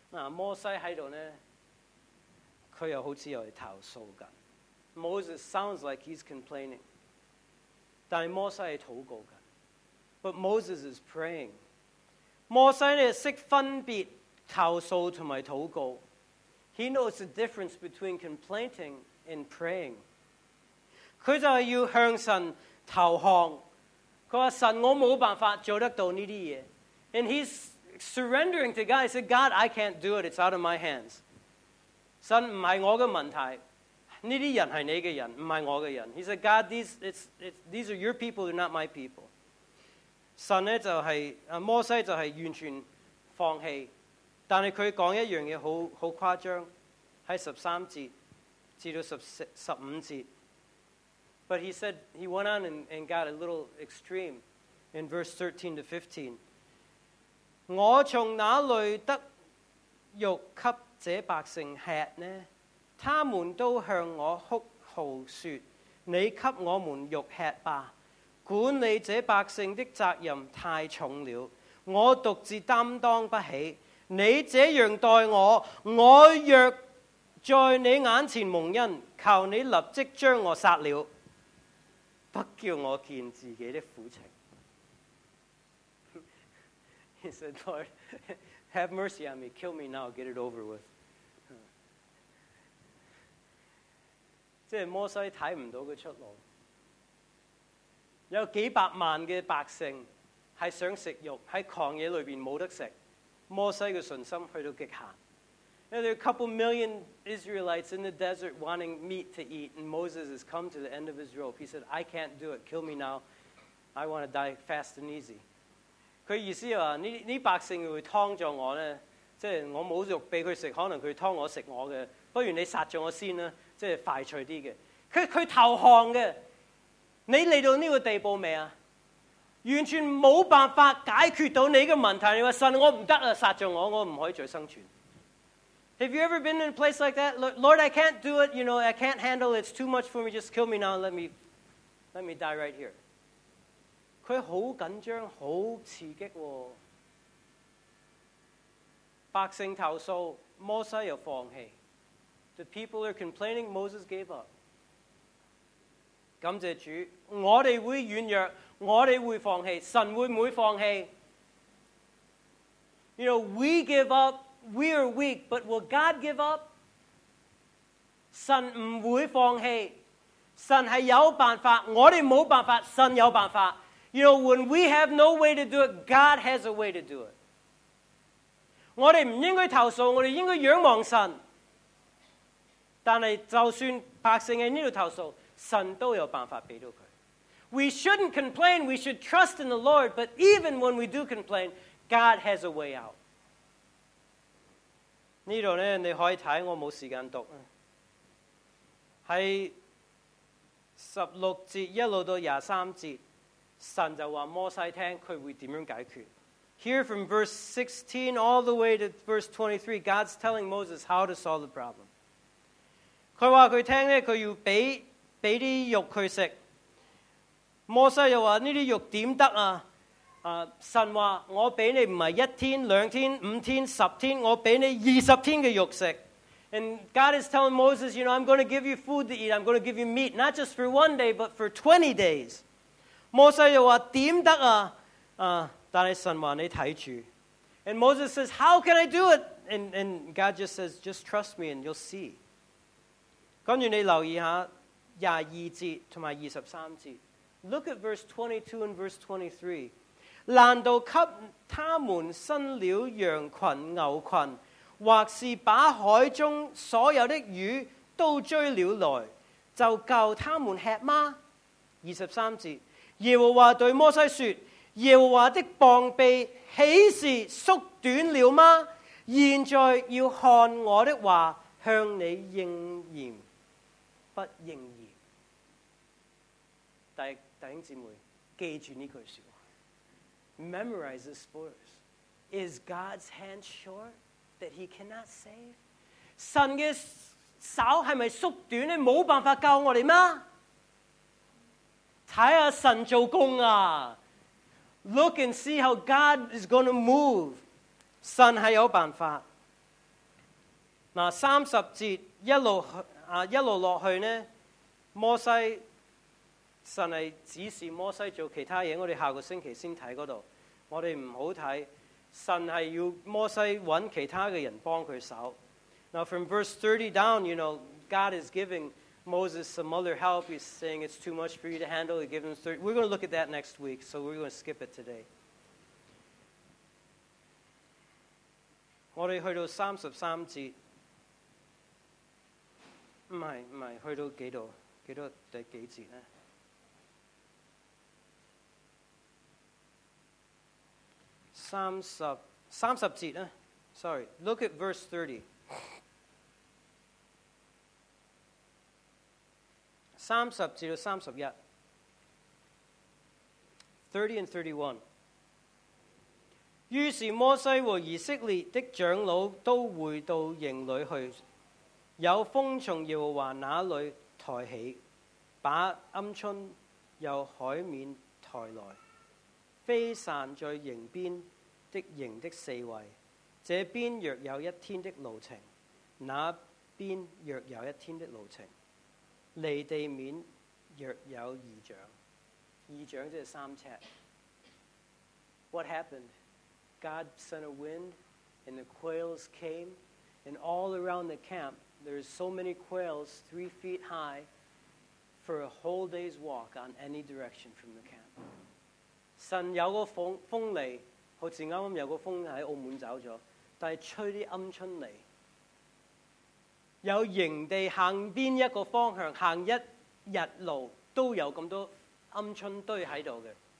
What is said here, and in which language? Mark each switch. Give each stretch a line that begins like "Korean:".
Cantonese: 摩西在這裡呢，他又好像又在投訴。
English: Moses sounds like he's complaining，
Cantonese: 但是摩西在禱告。
English: But Moses is praying。
Cantonese: 摩西呢懂分別投訴和禱告。
English: He knows the difference between complaining and praying。
Cantonese: 他就要向神投降，他說：神，我沒辦法做得到這些事。
English: And he's surrendering to God. He said, God, I can't do it. It's out of my hands.
Cantonese: 神，不是我的問題，這些人是你的人，不是我的人。
English: He said, God, these are your people, they're not my people.
Cantonese: 神呢，就是，摩西就是完全放棄，但是他說一件事很誇張，在十三節至到十五節。
English: But he said, he went on and got a little extreme in verse 13 to 15.
Cantonese: 我從哪裡得肉給這百姓吃呢？他们都向我哭号说，你给我们肉吃吧，管理这百姓的责任太重了，我独自担当不起，你这样待我，我若在你眼前蒙恩，求你立即将我杀了，不叫我见自己的苦情。
English: He said, Lord, have mercy on me, kill me now, get it over with.
Cantonese: 即是摩西看不到他出路，有几百万的百姓是想吃肉，在旷野里面没得吃，摩西的信心去到极限。
English: Now, there are a couple million Israelites in the desert wanting meat to eat, and Moses has come to the end of his rope. He said, I can't do it. Kill me now. I want to die fast and easy.
Cantonese: 他意思是这百姓会劏着我，即是我没肉给他吃，可能他劏我吃我的，不如你杀了我先，即是快脆一点的。他投降的，你来到这个地步没有？完全没办法解决到你的问题。你说神，我不得了，杀了我，我不可以再生存。
English: Have you ever been in a place like that? Lord, I can't do it. You know, I can't handle it. It's too much for me. Just kill me now. Let me die right here.
Cantonese: 他很紧张，很刺激。百姓投诉，摩西又放弃。
English: The people are complaining. Moses gave up.
Cantonese: 感谢主，我们会软弱，我们会放弃，神会不会放弃？
English: You know, we give up. We are weak, but will God give up?
Cantonese: 神不会放弃。神是有办法，我们没办法，神有办法。
English: You know, when we have no way to do it, God has a way to do it.
Cantonese: 我们不应该投诉，我们应该仰望神。但是就算百姓在这里投诉，神都有办法给到他。
English: We shouldn't complain, we should trust in the Lord, but even when we do complain, God has a way out.
Cantonese: 这里呢你可以看，我没时间读，在16节一路到23节，神就说摩西听他会怎样解决。
English: Here from verse 16 all the way to verse 23, God's telling Moses how to solve the problem.
Cantonese: 他说他听呢，他要给点肉他吃。摩西又说这些肉怎么行啊？神话我给你不是一天、两天、五天、十天，我给你20天的肉食。
English: And God is telling Moses, you know, I'm going to give you food to eat. I'm going to give you meat, not just for one day, but for 20 days.
Cantonese: 摩西又说怎么可以啊？但是神话你看着。
English: And Moses says, how can I do it? And God just says, just trust me and you'll see.
Cantonese: 跟着你留意一下22节和23节。
English: Look at verse 22 and verse 23.
Cantonese: 难道给他们生了羊群、牛群，或是把海中所有的鱼都追了来，就够他们吃吗？ 23节，耶和华对摩西说，耶和华的膀臂岂是缩短了吗？现在要看我的话向你应验不应验。弟兄姊妹，记住这句说话。
English: Memorize this verse. Is God's hand short that he cannot save?
Cantonese: 神的手是不是缩短呢？没办法救我们吗？看下神做工啊。
English: Look and see how God is going to move.
Cantonese: 神是有办法。那30节一路落去呢，摩西，神是指示摩西做其他事，我们下个星期先看那里。我们不好看，神是要摩西找其他的人帮他手。
English: Now from verse 30 down, you know, God is giving Moses some other help. He's saying it's too much for you to handle. He gives him 30. We're going to look at that next week, so we're going to skip it today.
Cantonese: 我们去到33节，不是去到几多？几多第几节呢？
English: 30 look at verse 30 and 31.
Cantonese: 于是摩西和以色列的长老都回到营里去，有风从耶和华那里抬起，把鹌鹑由海面抬来，飞散在营边的营的四围。这边若有一天的路程，那边若有一天的路程，离地面若有二丈，二丈即是三尺。
English: What happened? God sent a wind, and the quails came, and all around the camp, there's so many quails, 3 feet high, for a whole day's walk on any direction from the camp.
Cantonese: 神有个风来，好似啱啱有个风喺澳门走咗，但系吹啲鹌鹑嚟，有营地行边一个方向，行一日路都有咁多鹌鹑堆喺度嘅。